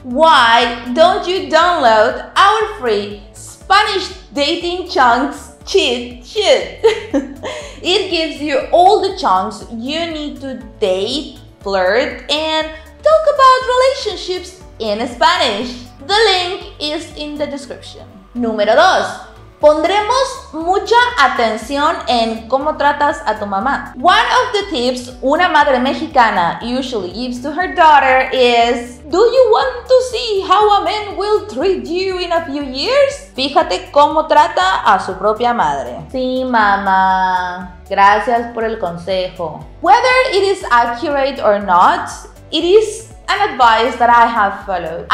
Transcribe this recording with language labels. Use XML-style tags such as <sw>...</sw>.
<en>Why don't you download our free Spanish dating chunks cheat sheet? It gives you all the chunks you need to date, flirt, and talk about relationships in Spanish. The link is in the description.</en> <es>Número 2. Pondremos mucha atención en cómo tratas a tu mamá.</es> <en>One of the tips</en> <es>una madre mexicana</es> <en>usually gives to her daughter is, do you want to see how a man will treat you in a few years?</en> <es>Fíjate cómo trata a su propia madre. Sí, mamá. Gracias por el consejo.</es> <en>Whether it is accurate or not, it is an advice that I have followed.</en>